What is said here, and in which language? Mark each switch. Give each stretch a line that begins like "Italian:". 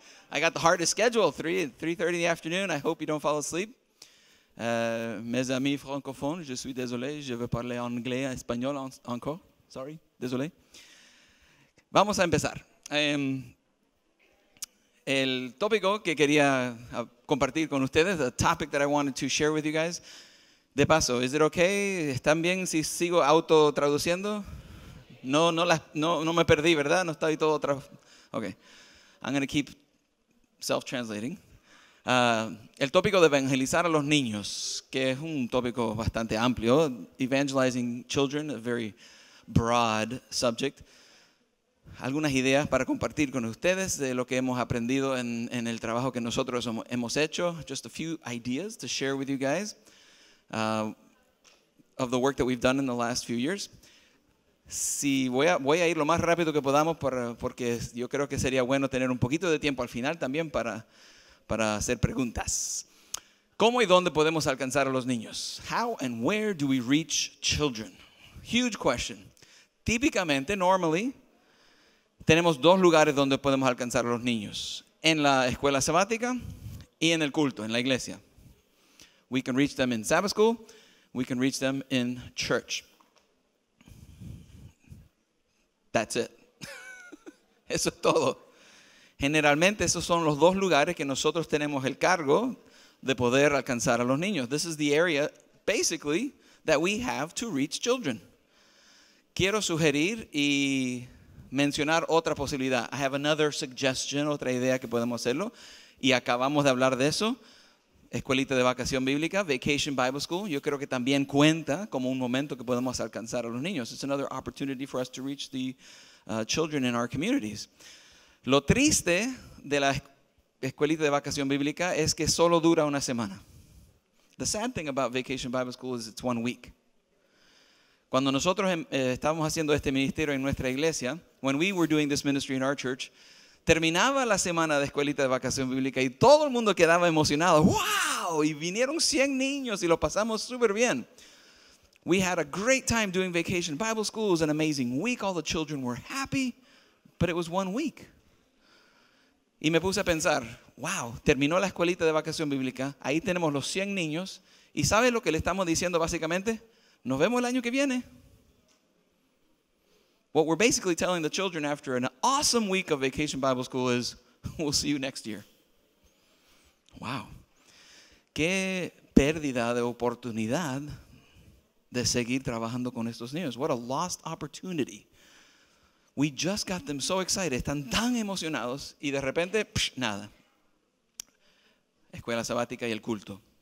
English: I got the hardest schedule, 3:30 in the afternoon. I hope you don't fall asleep.
French: Mes amis francophones, je suis désolé, je veux parler anglais, español encore, sorry, désolé.
Spanish: Vamos a empezar. El tópico que quería compartir con ustedes,
English: the topic that I wanted to share with you guys,
Spanish: de paso,
English: is it okay,
Spanish: están bien si sigo autotraduciendo? No me perdí, ¿verdad? No estoy todo otra.
English: Okay, I'm going to keep self-translating.
Spanish: El tópico de evangelizar a los niños, que es un tópico bastante amplio.
English: Evangelizing children, a very broad subject.
Spanish: Algunas ideas para compartir con ustedes de lo que hemos aprendido en el trabajo que nosotros hemos hecho.
English: Just a few ideas to share with you guys of the work that we've done in the last few years.
Spanish: Si voy a ir lo más rápido que podamos porque yo creo que sería bueno tener un poquito de tiempo al final también para hacer preguntas. ¿Cómo y dónde podemos alcanzar a los niños?
English: How and where do we reach children? Huge question.
Spanish: Típicamente,
English: normally,
Spanish: tenemos dos lugares donde podemos alcanzar a los niños. En la escuela sabática y en el culto, en la iglesia.
English: We can reach them in Sabbath school. We can reach them in church. That's it.
Spanish: Eso es todo. Generalmente esos son los dos lugares que nosotros tenemos el cargo de poder alcanzar a los niños.
English: This is the area, basically, that we have to reach children.
Spanish: Quiero sugerir y mencionar otra posibilidad.
English: I have another suggestion,
Spanish: otra idea que podemos hacerlo. Y acabamos de hablar de eso. Escuelita de vacación bíblica, Vacation Bible School. Yo creo que también cuenta como un momento que podemos alcanzar a los niños.
English: It's another opportunity for us to reach the children in our communities.
Spanish: Lo triste de la escuelita de vacación bíblica es que solo dura una semana.
English: The sad thing about Vacation Bible School is it's 1 week.
Spanish: Cuando nosotros estábamos haciendo este ministerio en nuestra iglesia,
English: when we were doing this ministry in our church,
Spanish: terminaba la semana de escuelita de vacación bíblica y todo el mundo quedaba emocionado. ¡Wow! Y vinieron 100 niños y lo pasamos súper bien.
English: We had a great time doing Vacation Bible School. It was an amazing week. All the children were happy. But it was 1 week.
Spanish: Y me puse a pensar, wow, terminó la escuelita de vacación bíblica. Ahí tenemos los 100 niños. ¿Y sabes lo que le estamos diciendo básicamente? Nos vemos el año que viene.
English: What we're basically telling the children after an awesome week of vacation Bible school is, we'll see you next year. Wow.
Spanish: Qué pérdida de oportunidad de seguir trabajando con estos niños.
English: What a lost opportunity. We just got them so excited.
Spanish: Están tan emocionados y de repente, psh, nada. Escuela sabática y el culto.